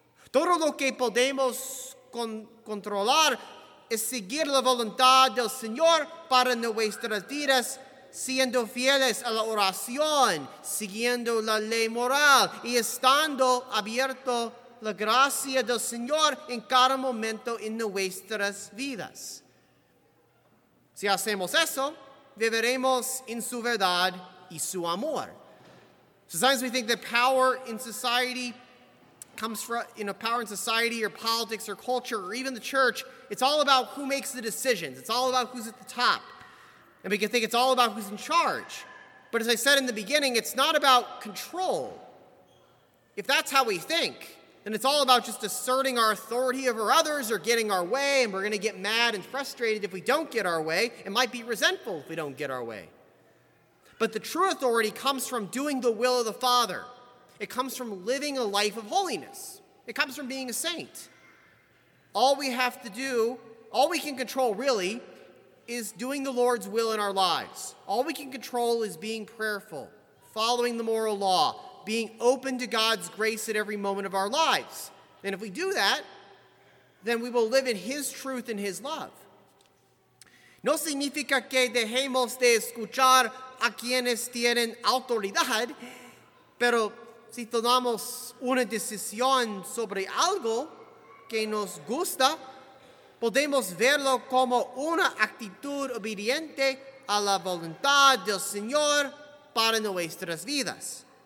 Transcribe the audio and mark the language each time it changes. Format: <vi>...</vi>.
<es>Todo lo que podemos controlar es seguir la voluntad del Señor para nuestras vidas, siendo fieles a la oración, siguiendo la ley moral y estando abierto la gracia del Señor en cada momento en nuestras vidas. Si hacemos eso, viviremos en su verdad y su amor.</es> <en>Sometimes we think that power in society comes from, you know, power in society or politics or culture or even the church. It's all about who makes the decisions. It's all about who's at the top. And we can think it's all about who's in charge. But as I said in the beginning, it's not about control. If that's how we think, then it's all about just asserting our authority over others or getting our way, and we're going to get mad and frustrated if we don't get our way, and might be resentful if we don't get our way. But the true authority comes from doing the will of the Father. It comes from living a life of holiness. It comes from being a saint. All we have to do, all we can control really, is doing the Lord's will in our lives. All we can control is being prayerful, following the moral law, being open to God's grace at every moment of our lives. And if we do that, then we will live in his truth and his love.</en> <es>No significa que dejemos de escuchar a quienes tienen autoridad, pero si tomamos una decisión sobre algo que nos gusta, podemos verlo como una actitud obediente a la voluntad del Señor para nuestras vidas.</es>